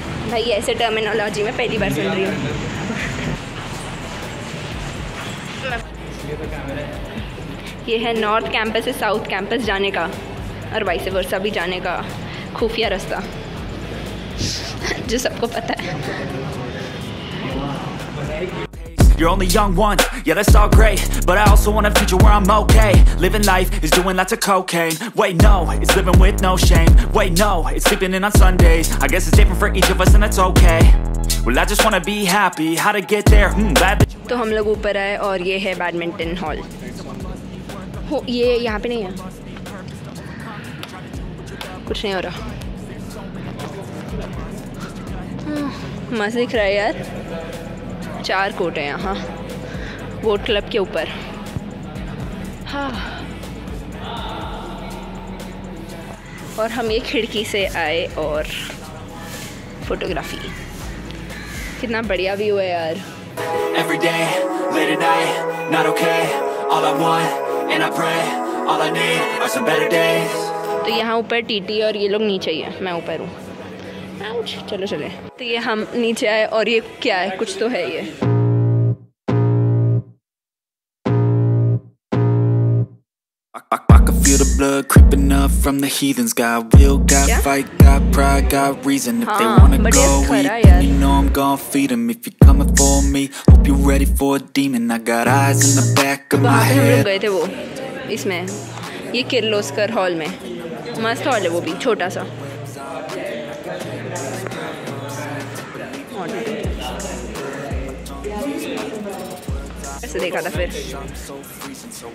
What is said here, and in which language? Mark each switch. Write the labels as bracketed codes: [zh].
[hi] भाई ऐसे टर्मिनोलॉजी में पहली बार सुन रही हूँ. ये है नॉर्थ कैंपस से साउथ कैंपस जाने का और वाइस वर्सा भी जाने का खुफिया रास्ता जो सबको पता है. [en] You're only young one, yeah that's all great. But I also want a future where I'm okay. Living life is doing lots of cocaine. Wait no, it's living with no shame. Wait no, it's sleeping in on Sundays. I guess it's different for each of us and that's okay. Well I just wanna be happy. How to get there, glad that you... [hi] तो हम लोग ऊपर आए और ये है badminton hall. हो ये यहाँ पे नहीं है, कुछ नहीं हो रहा. मस्त दिख रहा है यार. चार कोर्ट हैं यहाँ बोट क्लब के ऊपर. हाँ, और हम ये खिड़की से आए और फोटोग्राफी. कितना बढ़िया व्यू है यार. [en] Every day, late at night, not okay. All I want, and I pray, all I need are some better days. [hi] तो यहाँ ऊपर टीटी और ये लोग नीचे ही है. मैं ऊपर हूँ. आउच, चलो चले. तो ये हम नीचे आए और ये क्या है, कुछ तो है ये. [en] Blood creeping up from the heathens. Got will, got fight, got pride, got reason. If they wanna go eat, then you know I'm gonna feed them. If you're coming for me, hope you're ready for a demon. I got eyes in the back of my head. [hi] गए थे वो इसमें, ये Kirloskar hall में. मस्त hall है वो भी, छोटा सा. ऐसे देखा था फिर.